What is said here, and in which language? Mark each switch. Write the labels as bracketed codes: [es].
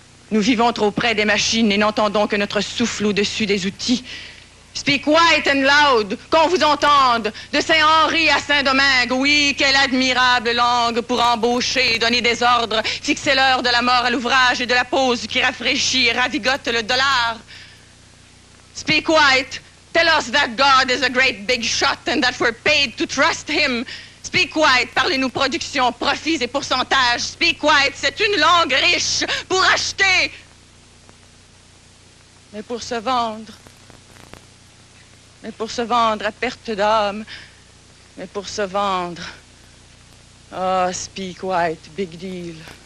[fr] Nous vivons trop près des machines et n'entendons que notre souffle au-dessus des outils. [en] Speak white and loud, [fr] qu'on vous entende, de Saint-Henri à Saint-Domingue. Oui, quelle admirable langue pour embaucher, donner des ordres, fixer l'heure de la mort à l'ouvrage et de la pause qui rafraîchit et ravigote le dollar. [en] Speak white, tell us that God is a great big shot and that we're paid to trust him. Speak white, [fr] parlez-nous production, profits et pourcentages. [en] Speak white, [fr] c'est une langue riche pour acheter. Mais pour se vendre. Mais pour se vendre à perte d'âme. Mais pour se vendre. [en] Oh, speak white, big deal.